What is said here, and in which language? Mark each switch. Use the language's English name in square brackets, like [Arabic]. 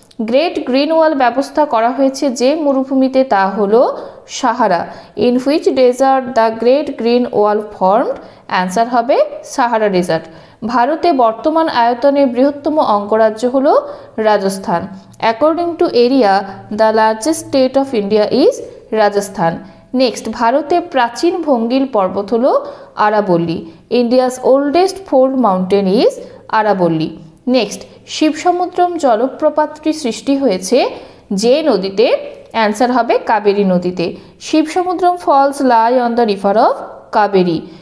[Bangla] Great Green Wall ব্যবস্থা করা হয়েছে যে মরুভূমিতে, তা হলো Sahara. [English] In which desert the Great Green Wall formed? [Bangla] Answer হবে সাহারা ডেজার্ট। ভারতে বর্তমান আয়তনের বৃহত্তম অঙ্গরাজ্য হলো Rajasthan. [English] According to area, the largest state of India is Rajasthan. [Bangla] Next, ভারতে প্রাচীন ভঙ্গিল পর্বত হলো আরাবল্লী। [English] India's oldest fold mountain is আরাবল্লী। [Bangla] Next, Shivasamudram জলপ্রপাতটি সৃষ্টি হয়েছে যে নদীতে, অ্যান্সার হবে কাবেরী নদীতে। [English] Shivasamudram falls lie on the river of Kaveri.